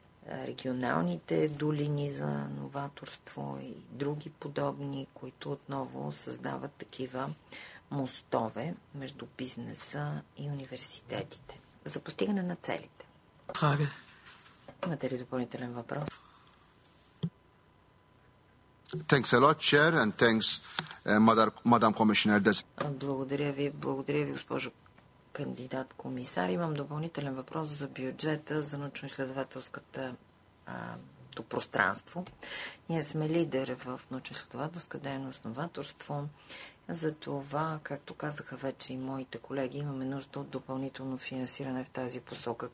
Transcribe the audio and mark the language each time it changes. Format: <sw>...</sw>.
<bg>Регионалните долини за новаторство и други подобни, които отново създават такива мостове между бизнеса и университетите за постигане на целите. Имате ли допълнителен въпрос?</bg> <en>Thanks a lot, Chair, and thanks, Madam Commissioner.</en> <bg>Благодаря ви, госпожо кандидат-комисар. Имам допълнителен въпрос за бюджета, за научно-изследователската пространство. Ние сме лидер в научно-изследователска дейност, новаторство. Затова, както казаха вече и моите колеги, имаме нужда от допълнително финансиране в тази посока.</bg>